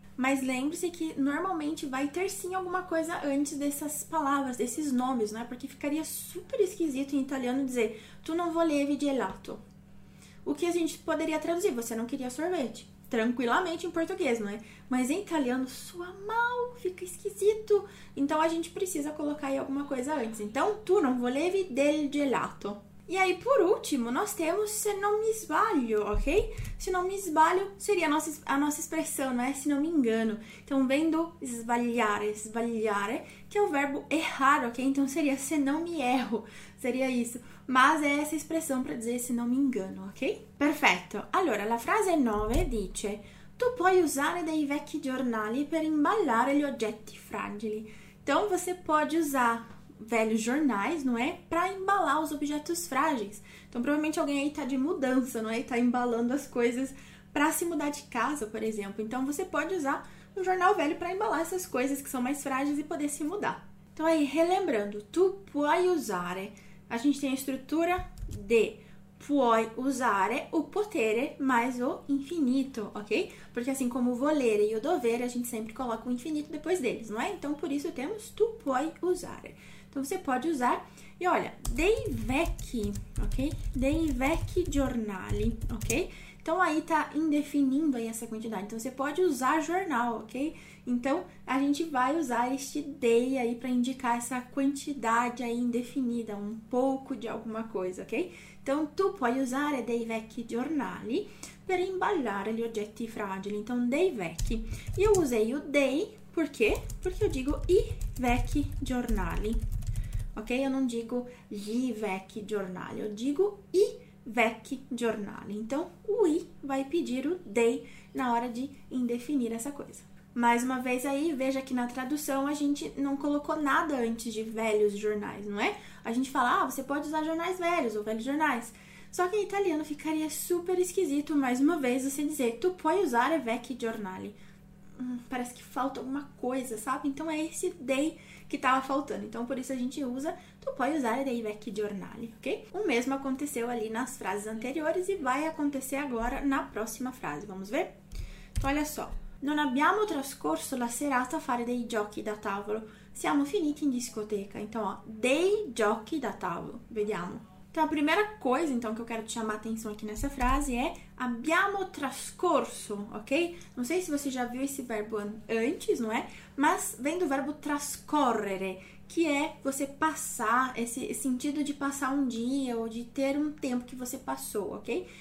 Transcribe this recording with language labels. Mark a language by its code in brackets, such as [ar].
[pt] Mas lembre-se que normalmente vai ter sim alguma coisa antes dessas palavras, desses nomes, né? Porque ficaria super esquisito em italiano dizer [it] tu non volevi gelato. [pt] O que a gente poderia traduzir? Você não queria sorvete. Tranquilamente em português, não é? Mas em italiano soa mal, fica esquisito. Então a gente precisa colocar aí alguma coisa antes. [it] Então, tu non volevi del gelato. [pt] E aí, por último, nós temos [it] se non mi sbaglio, [pt] ok? [it] Se non mi sbaglio [pt] seria a nossa expressão, não é? Se não me engano. Então, vem do sbagliare, sbagliare, que é o verbo errar, ok? Então seria se não me erro, seria isso. Mas é essa expressão para dizer se não me engano, ok? [it] Perfetto. Allora, la frase 9 dice: Tu puoi usare dei vecchi giornali per imballare gli oggetti fragili. [pt] Então, você pode usar velhos jornais, não é? Para embalar os objetos frágeis. Então, provavelmente alguém aí está de mudança, não é? Está embalando as coisas para se mudar de casa, por exemplo. Então, você pode usar um jornal velho para embalar essas coisas que são mais frágeis e poder se mudar. Então, aí, relembrando, [it] tu puoi usare. [pt] A gente tem a estrutura de [it] puoi usare [pt] o potere mais o infinito, ok? Porque assim como o volere e o dovere, a gente sempre coloca o infinito depois deles, não é? Então por isso temos [it] tu puoi usare. [pt] Então você pode usar. [it] E olha, dei vecchi, ok? Dei vecchi giornali, ok? [pt] Então aí tá indefinindo aí essa quantidade. Então você pode usar jornal, ok? Então a gente vai usar este dei aí para indicar essa quantidade aí indefinida, um pouco de alguma coisa, ok? [it] Então tu puoi usare dei vecchi giornali per imballare gli oggetti fragili. Então dei vecchi. Io usei o dei perché? Perché io dico i vecchi giornali. [pt] Ok? Eu não digo gli vecchi giornali, eu digo i vecchi giornali. Então, o i vai pedir o dei na hora de indefinir essa coisa. Mais uma vez aí, veja que na tradução a gente não colocou nada antes de velhos jornais, não é? A gente fala, ah, você pode usar jornais velhos ou velhos jornais. Só que em italiano ficaria super esquisito, mais uma vez, você dizer [it] tu puoi usare vecchi giornali. [pt] Parece que falta alguma coisa, sabe? Então é esse dei que tava faltando. Então por isso a gente usa [it] tu puoi usare dei vecchi giornali, [pt] ok? O mesmo aconteceu ali nas frases anteriores e vai acontecer agora na próxima frase. Vamos ver? Então olha só. [it] Non abbiamo trascorso la serata a fare dei giochi da tavolo. Siamo finiti in discoteca. [pt] Então, ó, [it] dei giochi da tavolo. Vediamo. [pt] Então, a primeira coisa, então, que eu quero te chamar a atenção aqui nessa frase é [it] abbiamo trascorso, [pt] ok? Não sei se você já viu esse verbo antes, não é? Mas vem do verbo trascorrere, que é você passar, esse sentido de passar um dia ou de ter um tempo que você passou, ok?